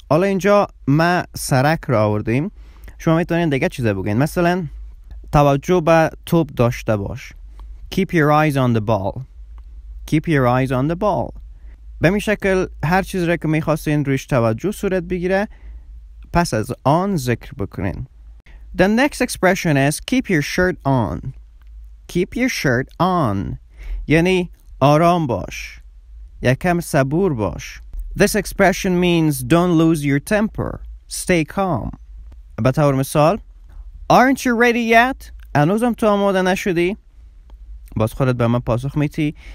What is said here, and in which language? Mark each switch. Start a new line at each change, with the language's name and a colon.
Persian: حالا اینجا ما سرک را آوردیم، شما میتونین دیگه چیزی بگین. مثلا توجه به توپ داشته باش.
English: Keep your eyes on the ball. Keep your eyes on the ball.
Persian: به این شکل هر چیز را که میخواستین روش توجه صورت بگیره، پس از آن ذکر بکنین.
English: The next expression is keep your shirt on. Keep your shirt on.
Persian: یعنی آرام باش، یکم صبور باش.
English: This expression means don't lose your temper. Stay calm.
Persian: به طور مثال،
English: aren't you ready yet?
Persian: هنوزم تو آماده نشدی؟ باز خودت به من پاسخ میدی.